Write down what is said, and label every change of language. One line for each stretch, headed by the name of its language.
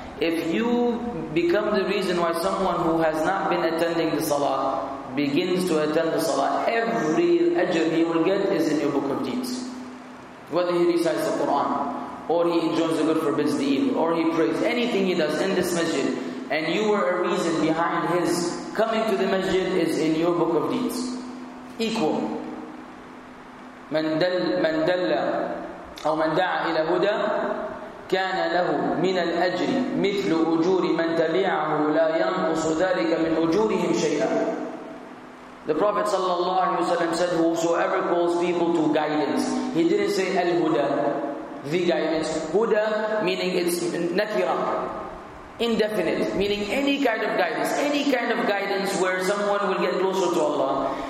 English: If you become the reason why someone who has not been attending the salah begins to attend the salah, every ajr he will get is in your book of deeds. Whether he recites the Quran, or he enjoins the good, forbids the evil, or he prays, anything he does in this masjid, and you were a reason behind his coming to the masjid is in your book of deeds. Equal.
Arabic: من دل أو من دعا إلى هدى كان له من الأجر مثل أجور من تبعه لا ينقص ذلك من أجورهم شيئا.
English: The Prophet sallallahu alaihi wasallam said, whosoever calls people to guidance, he didn't say al-huda, the guidance. Huda meaning it's nakira, indefinite, meaning any kind of guidance, any kind of guidance where someone will get closer to Allah.